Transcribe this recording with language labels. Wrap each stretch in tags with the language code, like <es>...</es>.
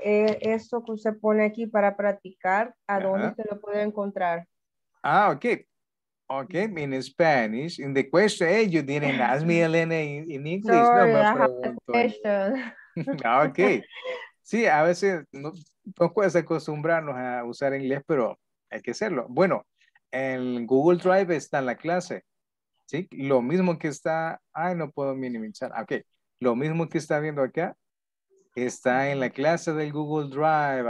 <es>Esto que usted pone aquí para practicar, ¿a dónde se lo puede encontrar?</es> <en>Okay, in Spanish. In the question, hey, you didn't ask me, Elena, in English. Sorry,</en> <es>no, me</es> <en>I have a question. Okay.</en> <es>Sí, a veces no puedes acostumbrarnos a usar inglés, pero hay que hacerlo. Bueno, en Google Drive está la clase. ¿Sí? Lo mismo que está... Ay, no puedo minimizar. Ok. Lo mismo que está viendo acá está en la clase del Google Drive.</es>